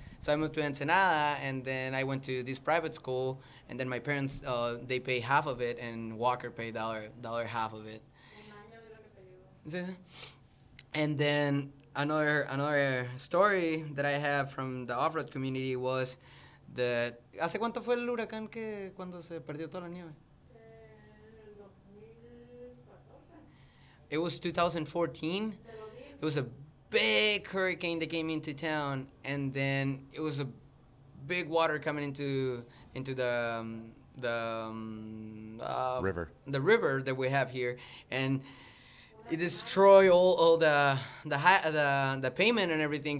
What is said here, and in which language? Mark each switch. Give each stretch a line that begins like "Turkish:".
English: So I moved to Ensenada, and then I went to this private school, and then my parents, they pay half of it, and Walker paid dollar half of it. And then another story that I have from the off-road community was that...
Spanish: ¿Hace cuánto fue el huracán que cuando se perdió toda la nieve?
English: It was 2014. It was a big hurricane that came into town, and then it was a big water coming into the river. The river that we have here, and it destroyed all the pavement and everything.